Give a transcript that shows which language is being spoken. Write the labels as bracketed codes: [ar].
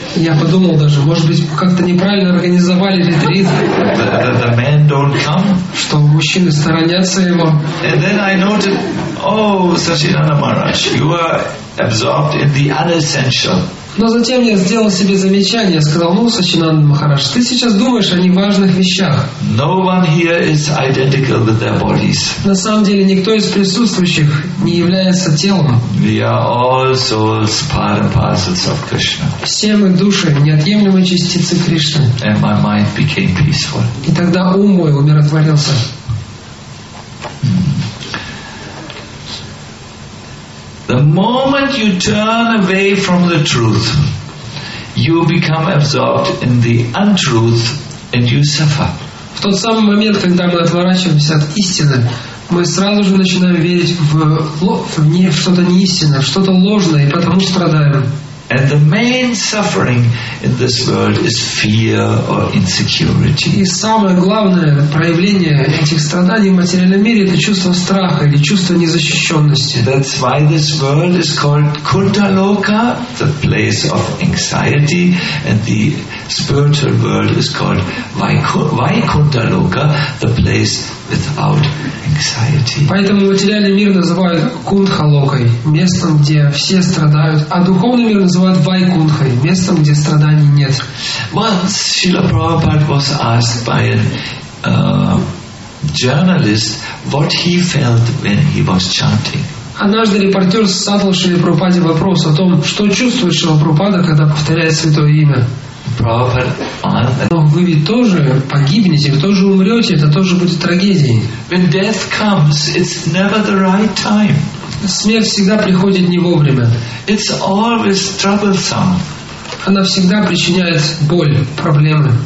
[ru] Я подумал даже, может быть, как-то неправильно организовали ретрит. [en] The men don't come? [ru] Что мужчины сторонятся его? [en] And then I noted, oh, Satchidananda Maharaj, you are absorbed in the unessential. [ru] Но затем я сделал себе замечание, сказал, ну, Сачинанда Махарадж, ты сейчас думаешь о неважных вещах. [en] No one here is identical with their bodies. [ru] На самом деле, никто из присутствующих не является телом. [en] We are all souls, part and parcels of Krishna. [ru] Все мы души, неотъемлемые частицы Кришны. [en] And my mind became peaceful. [ru] И тогда ум мой умиротворился. [en] The moment you turn away from the truth, you become absorbed in the untruth and you suffer. [ru] В тот самый момент, когда мы отворачиваемся от истины, мы сразу же начинаем верить в что-то неистинное, в что-то ложное, и потому страдаем. [en] And the main suffering in this world is fear or insecurity. [ru] И самое главное проявление этих страданий в материальном мире — это чувство страха или чувство незащищенности. [en] That's why this world is called Kuntaloka, the place of anxiety, and the spiritual world is called Vaikuntaloka, the place without anxiety. [ru] Поэтому материальный мир называют Кунтхалокой, местом, где все страдают, а духовный мир называют Вайкунхой, местом, где страданий нет. [en] Once Srila Prabhupada was asked by a journalist what he felt when he was chanting. [ru] Однажды репортер задал Шриле Прабхупаде вопрос о том, что чувствует Шрила Прабхупада, когда повторяет святое имя. Но вы ведь тоже погибнете, вы тоже умрете, это тоже будет трагедией. [en] When death comes, it's never the right time. [ru] Смерть всегда приходит не вовремя. [en] It's always troublesome. [ru] Она всегда причиняет боль, проблемы.